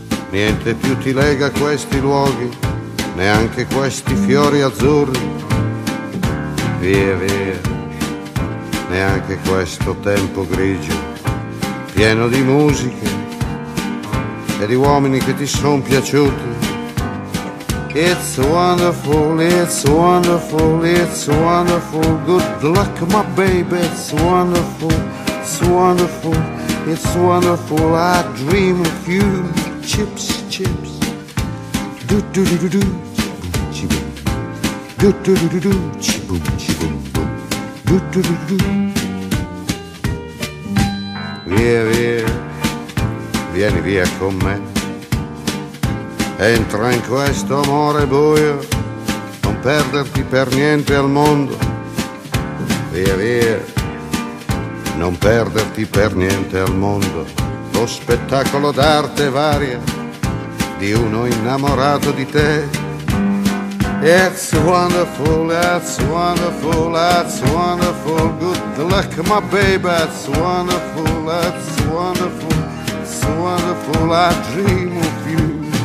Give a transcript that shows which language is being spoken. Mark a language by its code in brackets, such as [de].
[it] Niente più ti lega a questi luoghi, neanche questi fiori azzurri. Via, via, neanche questo tempo grigio, pieno di musiche e di uomini che ti son piaciuti. [en] It's wonderful, it's wonderful, it's wonderful. Good luck, my baby, it's wonderful, it's wonderful, it's wonderful. I dream of you, chips, chips. Do do do do do, chibum chibum. Do do do do do, chibum chibum boom. Do do do do do. [it] Via via. Vieni via con me, entra in questo amore buio, non perderti per niente al mondo. Via via, non perderti per niente al mondo. Lo spettacolo d'arte varia di uno innamorato di te. [en] It's wonderful, that's wonderful, that's wonderful. Good luck, my baby, that's wonderful, that's wonderful. Wonderful, I dream of you.